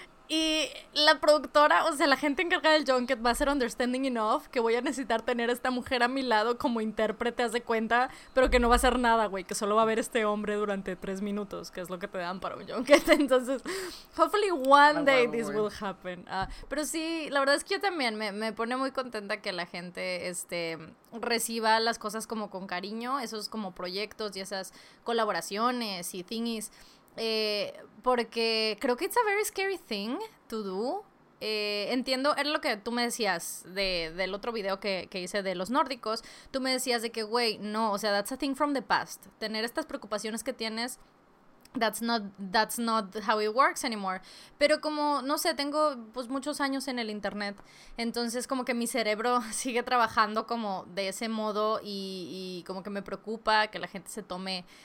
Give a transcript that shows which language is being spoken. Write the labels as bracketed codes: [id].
[es] Y la productora, o sea, la gente encargada del junket va a ser [en] understanding enough [es] que voy a necesitar tener a esta mujer a mi lado como intérprete, haz de cuenta, pero que no va a hacer nada, güey, que solo va a ver este hombre durante 3 minutos, que es lo que te dan para un junket. [en] Entonces, hopefully one day this will happen. [es] Pero sí, la verdad es que yo también me pone muy contenta que la gente reciba las cosas como con cariño, esos como proyectos y esas colaboraciones y thingies. Porque creo que [en] it's a very scary thing to do. [es] Entiendo, era lo que tú me decías del otro video que hice de los nórdicos. Tú me decías de que, güey, no, o sea, [en] that's a thing from the past. [es] Tener estas preocupaciones que tienes, [en] that's not how it works anymore. [es] Pero como, no sé, tengo pues muchos años en el internet, entonces como que mi cerebro sigue trabajando como de ese modo y como que me preocupa que la gente se tome...